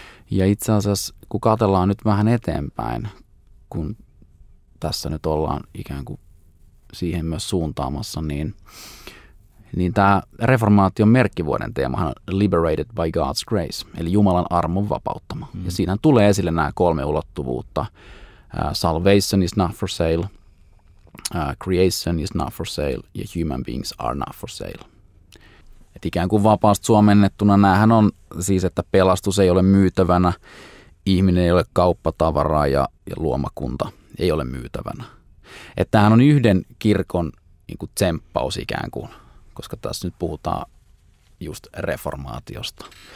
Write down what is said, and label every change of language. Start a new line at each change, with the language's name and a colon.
Finnish: Ja itse asiassa, kun katsellaan nyt vähän eteenpäin, kun tässä nyt ollaan ikään kuin siihen myös suuntaamassa, niin tämä reformaation merkkivuoden teemahan on
English: Liberated by God's Grace,
Finnish: eli Jumalan armon vapauttama. Ja siinä tulee esille nämä kolme ulottuvuutta.
English: Salvation is not for sale, creation is not for sale,
Finnish: ja
English: human beings are not for sale.
Finnish: Et ikään kuin vapaasti suomennettuna näähän on siis, että pelastus ei ole myytävänä, ihminen ei ole kauppatavaraa ja luomakunta ei ole myytävänä. Että tämähän on yhden kirkon niin kuin tsemppaus ikään kuin, koska tässä nyt puhutaan just reformaatiosta.